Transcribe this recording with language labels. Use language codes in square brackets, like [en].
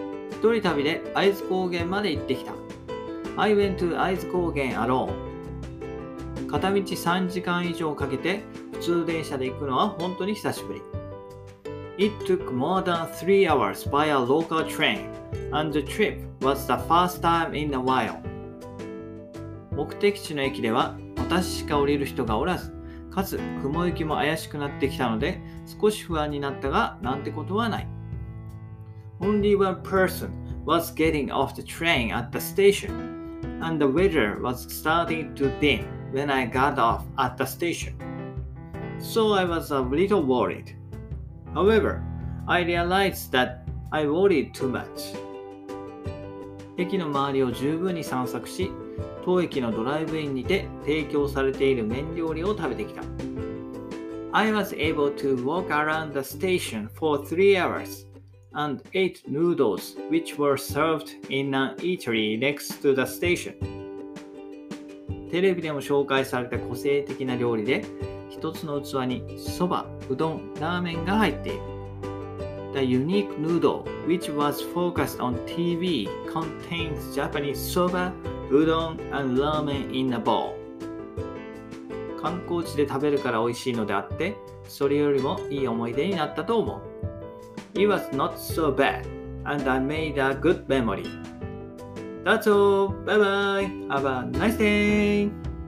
[ja] 一人旅で会津高原まで行ってきた。 [en] I went to 会津高原 alone. [ja] 片道3時間以上かけて普通電車で行くのは本当に久しぶり。 [en] It took more than 3 hours by a local train, and the trip was the first time in a while. [ja] 目的地の駅では私しか降りる人がおらず、かつ雲行きも怪しくなってきたので少し不安になったが、なんてことはない。 [en] Only one person was getting off the train at the station, and the weather was starting to dim when I got off at the station. So I was a little worried. However, I realized that I worried too much. [ja] 駅の周りを十分に散策し、当駅のドライブインにて提供されている麺料理を食べてきた。 [en] I was able to walk around the station for 3 hours and ate noodles which were served in an eatery next to the station. [ja] テレビでも紹介された個性的な料理で、一つの器にそば、うどん、ラーメンが入っている。 [en] The unique noodle which was focused on TV contains Japanese soba,うどん and ramen in a bowl. [ja] 観光地で食べるから美味しいのであって、それよりもいい思い出になったと思う。 [en] It was not so bad, and I made a good memory. That's all. Bye bye. Have a nice day.